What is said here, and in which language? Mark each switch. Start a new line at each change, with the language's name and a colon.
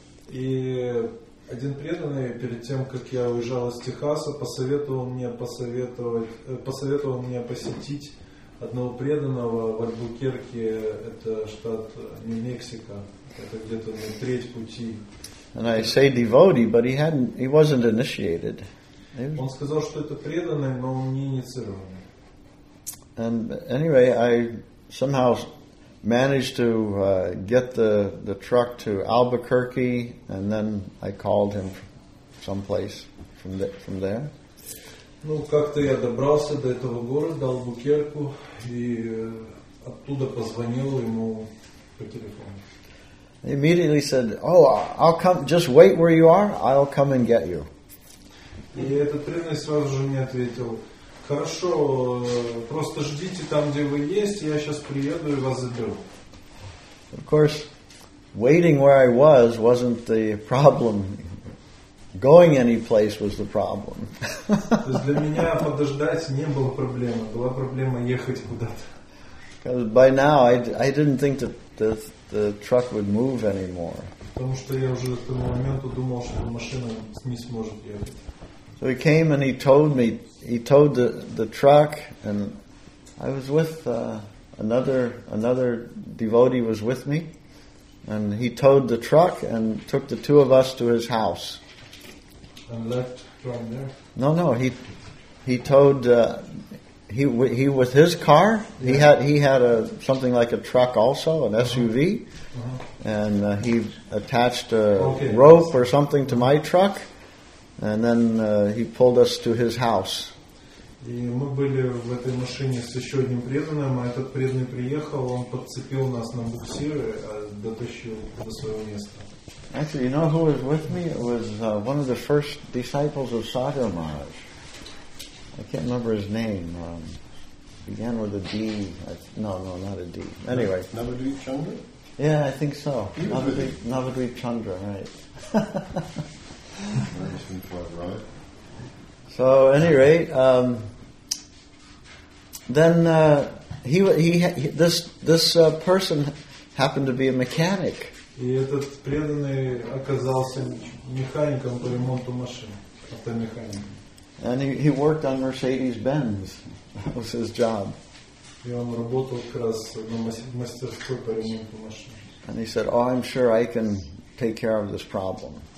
Russian: И один преданный перед тем, как я уезжал из Техаса, посоветовал мне посетить одного преданного в Альбукерке, это штат Нью-Мексико, это где-то на треть пути.
English: And I say devotee, but he wasn't initiated.
Russian: Он сказал, что это преданный, но он не инициированный.
English: And anyway, I somehow managed to get the truck to Albuquerque, and then I called him someplace from there.
Russian: Ну, как-то я добрался до этого города, Албукерку, и оттуда позвонил ему по телефону.
English: He immediately said, "Oh, I'll come. Just wait where you are. I'll come and get you."
Russian: И этот преданный сразу же мне ответил: "Хорошо, просто ждите там, где вы есть. Я сейчас приеду и вас заберу."
English: Of course, waiting where I was wasn't the problem. Going any place was the problem.
Russian: Для меня подождать не было проблемы. Была проблема ехать куда-то.
English: Because by now I didn't think that the truck would move anymore.
Russian: Потому что я уже к тому моменту думал, что машина не сможет ехать.
English: So he came and he towed the truck, and I was with another devotee was with me, and he towed the truck and took the two of us to his house. And left from there? No. He towed he with his car. Yeah. He had something like a truck also, an SUV, uh-huh. Uh-huh. And he attached a rope or something to my truck, and then he pulled us to his house.
Russian: И мы были в этой машине с еще одним преданным, а этот преданный приехал, он подцепил нас на буксир, дотащил до своего места.
English: Actually, you know who was with me? It was one of the first disciples of Sagar Maharaj. I can't remember his name. Began with a D. No, not a D. Anyway. Navadvip Chandra? Yeah, I think so. Navadvip Chandra, right. So, at any rate, then this person happened to be a mechanic.
Russian: И этот преданный оказался механиком по ремонту машин, автомехаником.
English: And he worked on Mercedes-Benz. That was his job.
Russian: И он работал как раз на мастерской по ремонту машин.
English: And he said, "Oh, I'm sure I can take care of this problem."